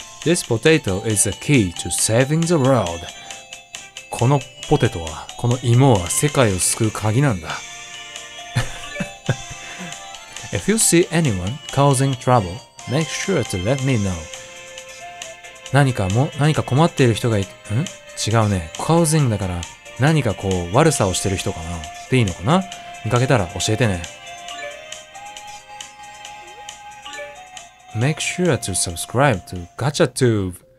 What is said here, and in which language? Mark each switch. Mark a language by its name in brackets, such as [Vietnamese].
[English] This potato is a key to saving the world. [Japanese] このポテトは、この芋は世界を救う鍵なんだ。 [English] If you see anyone causing trouble, make sure to let me know. [Japanese] 何か困っている人がいる、ん？違うね。causing だから、何かこう悪さをしている人かな。でいいのかな？見かけたら教えてね。 [English] Make sure to subscribe to GachaTube.